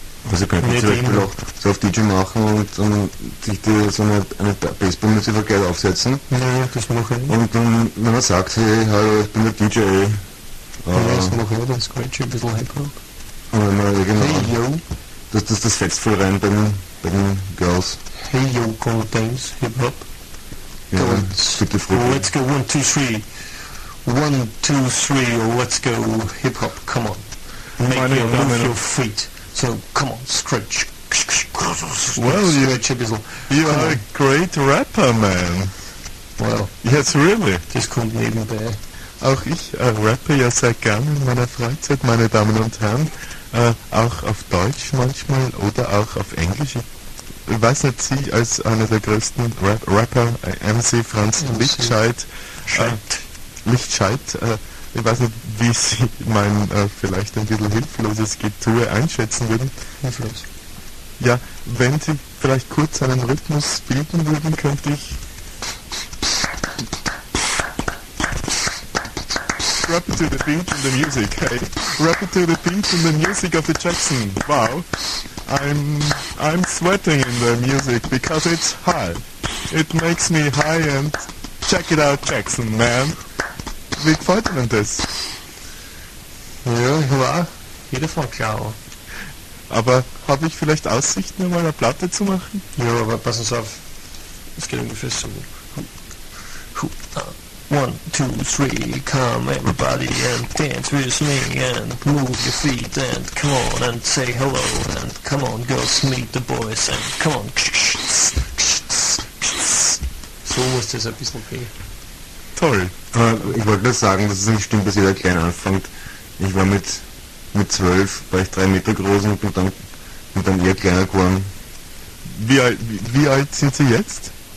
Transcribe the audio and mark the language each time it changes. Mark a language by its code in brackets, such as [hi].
[de] Also könnte man zum Beispiel auch so auf DJ machen und sich die, so eine Baseballmütze verkehrt aufsetzen. Ja, das mache ich. Und dann, wenn man sagt, hey, hallo, ich bin der DJ. Ja, das mache ich, dann scratch ich ein bisschen Hip-Hop. Und wenn man irgendwie, [en] hey, yo. [de] Das fetzt voll rein bei den Girls. [en] Hey yo, come dance, hip hop. [de] Ja, bitte früh. [en] Let's go, 1, 2, 3. 1, 2, 3, let's go, hip hop, come on. Make your move your feet. So, come on, scratch. Well, you are a great rapper, man. Well. Yes, really. [de] Das kommt nebenbei. Auch ich rappe ja sehr gern in meiner Freizeit, meine Damen und Herren. auch auf Deutsch manchmal oder auch auf Englisch. Ich weiß nicht, Sie als einer der größten Rapper, MC Franz Lichtscheid, ich weiß nicht, wie Sie mein vielleicht ein bisschen hilfloses Getue einschätzen würden. Hilflos. Ja, wenn Sie vielleicht kurz einen Rhythmus bilden würden, könnte ich... [en] Rap to the beat and the music, hey. Rap to the beat and the music of the Jackson. Wow. I'm sweating in the music because it's high. It makes me high and check it out, Jackson, man. [de] Wie gefällt Ihnen das? Ja, war. Jeder von klar. Aber habe ich vielleicht Aussicht, nur mal eine Platte zu machen? Ja, aber pass uns auf. Es geht ungefähr so. [en] One, two, three, come everybody and dance with me and move your feet and come on and say hello and come on girls, meet the boys and come on. [de] So muss das ein bisschen gehen. Toll. Ich wollte nur sagen, dass es nicht stimmt, dass jeder klein anfängt. Ich war mit 12, war ich 3 Meter groß und bin dann eher kleiner geworden. Wie alt sind Sie jetzt?